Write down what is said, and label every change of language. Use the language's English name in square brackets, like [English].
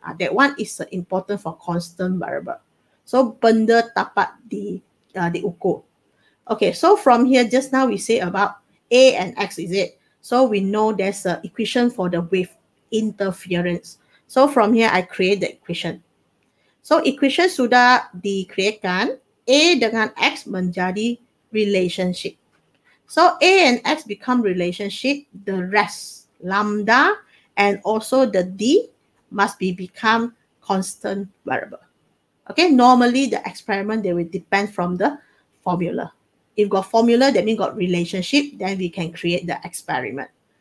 [English] That one is important for constant variable. So, benda dapat diukur. Okay, so from here, just now we say about A and X, is it? So we know there's an equation for the wave interference. So from here, I create the equation. [Malay] So equation sudah dikreatkan. A dengan X menjadi relationship. [English] So A and X become relationship. The rest, lambda, and also the D must be become constant variable. Okay, normally the experiment, they will depend from the formula. If got formula, that means got relationship, then we can create the experiment.